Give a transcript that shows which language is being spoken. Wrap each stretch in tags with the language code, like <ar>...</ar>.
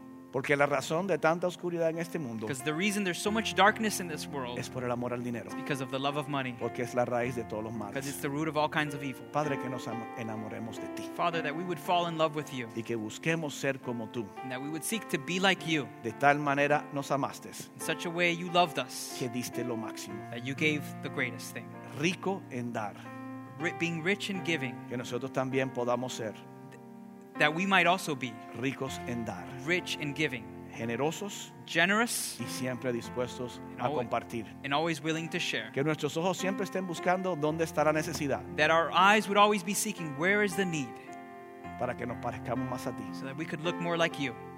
<es>Porque la razón de tanta oscuridad en este mundo,</es> <en>because the reason there's so much darkness in this world,</en> <es>es por el amor al dinero,</es> <en>it's because of the love of money,</en> <es>porque es la raíz de todos los males,</es> <en>because it's the root of all kinds of evil.</en> <es>Padre, que nos enamoremos de ti,</es> <en>Father, that we would fall in love with you,</en> <es>y que busquemos ser como tú,</es> <en>and that we would seek to be like you,</en> <es>de tal manera nos amaste,</es> <en>in such a way you loved us,</en> <es>que diste lo máximo,</es> <en>that you gave the greatest thing,</en> <es>rico en dar,</es> <en>being rich in giving,</en> <es>que nosotros también podamos ser.</es> <en>That we might also be</en> <es>ricos en dar,</es> <en>rich in giving,</en> <es>generosos,</es> <en>generous,</en> <es>y siempre dispuestos a compartir,</es> <en>and always willing to share.</en> <es>Que nuestros ojos siempre estén buscando dónde está la necesidad.</es> <en>That our eyes would always be seeking where is the need.</en> <es>Para que nos parezcamos más a ti.</es> <en>So that we could look more like you.</en>